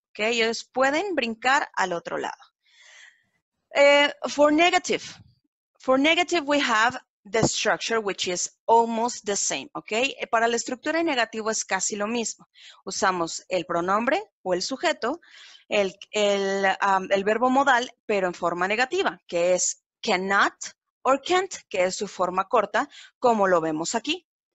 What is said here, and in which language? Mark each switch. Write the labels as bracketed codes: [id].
[es] Okay, ellos pueden brincar al otro lado. [en] For negative, we have the structure, which is almost the same, okay? [es] Para la estructura en negativo es casi lo mismo. Usamos el pronombre o el sujeto, el verbo modal, pero en forma negativa, que es cannot or can't, que es su forma corta, como lo vemos aquí.